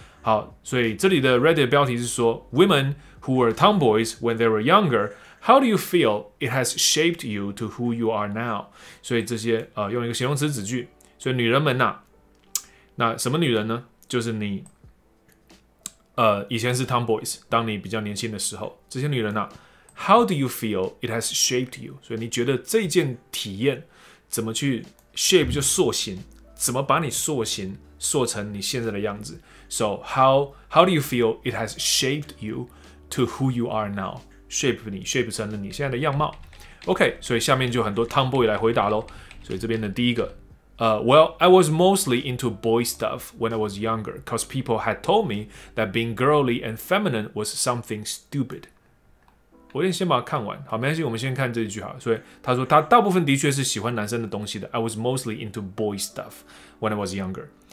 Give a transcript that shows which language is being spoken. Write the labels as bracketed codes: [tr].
[zh] 好，所以这里的 Reddit 标题是说 [en] Women who were tomboys when they were younger, how do you feel it has shaped you to who you are now? [zh] 所以这些、用一个形容词子句，所以女人们啊，那什么女人呢？就是你以前是 tomboys， 当你比较年轻的时候，这些女人啊 ， [en] How do you feel it has shaped you？ [zh] 所以你觉得这件体验怎么去 shape 就塑形，怎么把你塑形塑成你现在的样子 ？ [en] So how do you feel it has shaped you to who you are now？ [zh] Shape 你 shape 成了你现在的样貌。OK， 所以下面就很多 tomboy 来回答喽。所以这边的第一个。 [en] Well, I was mostly into boy stuff when I was younger, because people had told me that being girly and feminine was something stupid. [zh] 我先把它看完，好，没关系，我们先看这一句哈。所以他说他大部分的确是喜欢男生的东西的。 [en] I was mostly into boy stuff when I was younger.